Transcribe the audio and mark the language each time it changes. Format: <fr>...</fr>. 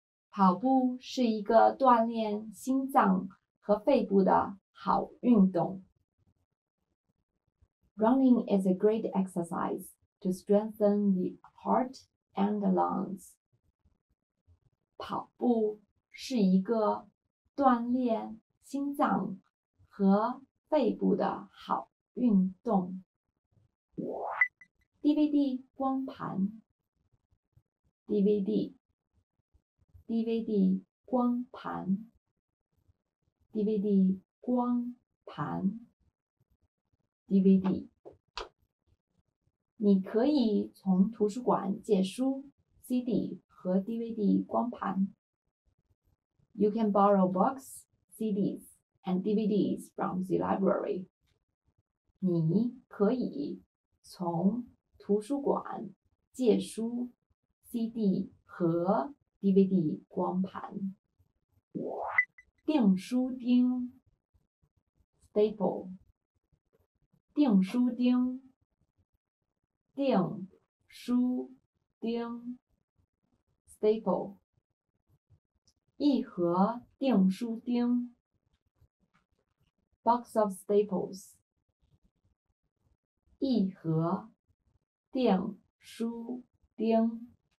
<zh>跑步是一个锻炼心脏和肺部的好运动</zh> <en>running is a great exercise to strengthen the heart and the lungs.</en> <zh>跑步是一个锻炼心脏和肺部的好运动。 DVD 光盘 DVD DVD 光盘 DVD 光盘 DVD你可以从图书馆借书 CD 和 DVD 光盘。</zh> <en>You can borrow books, CDs, and DVDs from the library.</en> <zh>你可以从图书馆借书 CD 和 DVD 光盘。订书钉 Staple 订书钉订书钉 staple 一盒订书钉</zh> <en>box of staples</en> <zh>一盒订书钉</zh>